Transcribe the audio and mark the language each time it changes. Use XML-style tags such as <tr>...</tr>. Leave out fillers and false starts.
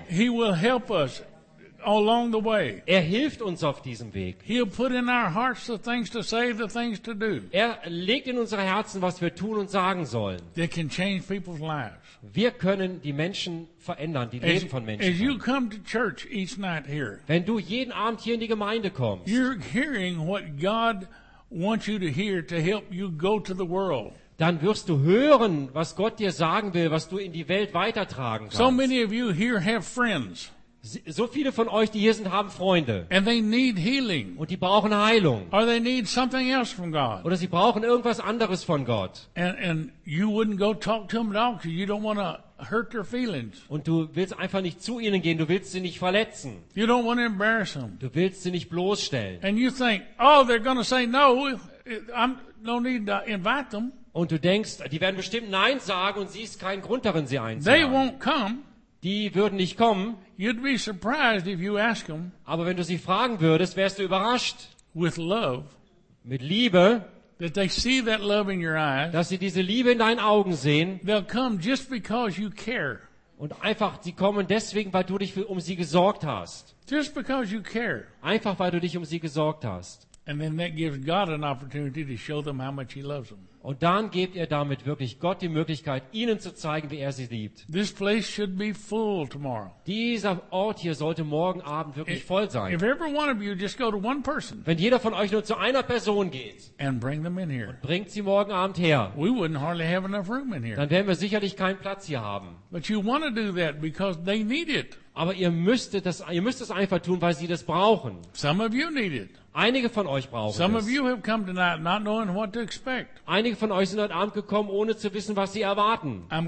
<en>He will help us along the way.</en> <de>Er hilft uns auf diesem Weg.</de> <en>He'll put in our hearts the things to say, the things to do.</en> <de>Er legt in unsere Herzen, was wir tun und sagen sollen.</de> <en>They can change people's lives.</en> <de>Wir können die Menschen verändern, die Leben von Menschen.</de> <en>As you come to church each night here,</en> <de>wenn du jeden Abend hier in die Gemeinde kommst,</de> <en>you're hearing what God wants you to hear to help you go to the world.</en> <de>Dann wirst du hören, was Gott dir sagen will, was du in die Welt weitertragen kannst.</de> <en>So many of you here have friends.</en> <de>So viele von euch, die hier sind, haben Freunde.</de> <en>And they need healing.</en> <de>Und die brauchen Heilung.</de> <en>Or they need something else from God.</en> <de>Oder sie brauchen irgendwas anderes von Gott.</de> <en>And you wouldn't go talk to them at all, because you don't want to hurt their feelings.</en> <de>Und du willst einfach nicht zu ihnen gehen, du willst sie nicht verletzen.</de> <en>You don't want to embarrass them.</en> <de>Du willst sie nicht bloßstellen.</de> <en>And you think, oh, they're going to say no, I'm no need to invite them.</en> <de>Und du denkst, die werden bestimmt Nein sagen und siehst keinen Grund darin, sie einzuladen.</de> <en>They won't come.</en> <de>Die würden nicht kommen.</de> <en>You'd be surprised if you ask them.</en> <de>Aber wenn du sie fragen würdest, wärst du überrascht.</de> <en>With love.</en> <de>Mit Liebe.</de> <en>That they see that love in your eyes.</en> <de>Dass sie diese Liebe in deinen Augen sehen.</de> <en>They'll come just because you care.</en> <de>Und einfach, sie kommen deswegen, weil du dich um sie gesorgt hast.</de> <en>Just because you care.</en> <de>Einfach, weil du dich um sie gesorgt hast.</de> <en>And then that gives God an opportunity to show them how much He loves them.</en> <de>Und dann gibt er damit wirklich Gott die Möglichkeit, ihnen zu zeigen, wie er sie liebt.</de> <en>This place should be full tomorrow.</en> <de>Dieser Ort hier sollte morgen Abend wirklich voll sein.</de> <en>If every one of you just go to one person,</en> <de>wenn jeder von euch nur zu einer Person geht,</de> <en>and bring them in here,</en> <de>und bringt sie morgen Abend her,</de> <en>we wouldn't hardly have enough room in here.</en> <de>Dann werden wir sicherlich keinen Platz hier haben.</de> <en>But you want to do that because they need it.</en> <de>Aber ihr müsst es einfach tun, weil sie das brauchen.</de> <en>Some of you need it.</en> <de>Einige von euch brauchen es. Einige von euch sind heute Abend gekommen, ohne zu wissen, was sie erwarten.</de>